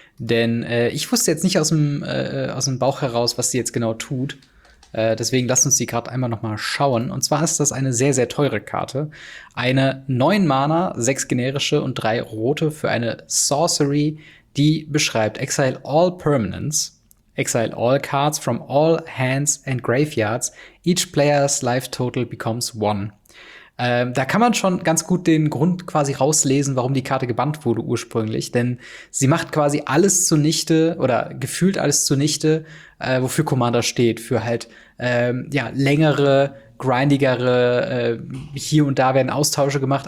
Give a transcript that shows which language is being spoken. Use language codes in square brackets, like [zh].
[de] Denn ich wusste jetzt nicht aus dem Bauch heraus, was sie jetzt genau tut. Deswegen lasst uns die Karte einmal noch mal schauen. Und zwar ist das eine sehr, sehr teure Karte. Eine 9 Mana, 6 generische und 3 rote für eine Sorcery, die beschreibt [en] Exile all permanents. Exile all cards from all hands and graveyards. Each player's life total becomes 1. [de] Da kann man schon ganz gut den Grund quasi rauslesen, warum die Karte gebannt wurde ursprünglich. Denn sie macht quasi alles zunichte oder gefühlt alles zunichte, wofür Commander steht. Für halt längere, grindigere, hier und da werden Austausche gemacht.